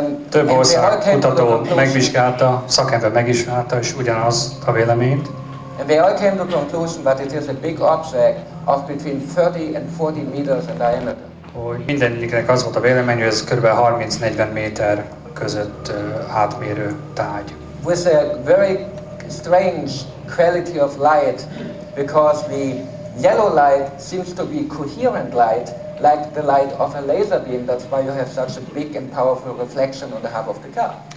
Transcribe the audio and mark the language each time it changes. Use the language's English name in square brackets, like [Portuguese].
[Hungarian] Több ország kutató megvizsgálta, szakember megvizsgálta, és ugyanaz a véleményt. [English] And they all came to the conclusion that it is a big object of between 30 and 40 meters in diameter. [Hungarian] Hogy mindeniknek az volt a vélemény, hogy ez kb. 30-40 méter között átmérő tárgy. [English] With a very strange quality of light, because the yellow light seems to be coherent light, like the light of a laser beam. That's why you have such a big and powerful reflection on the hub of the car.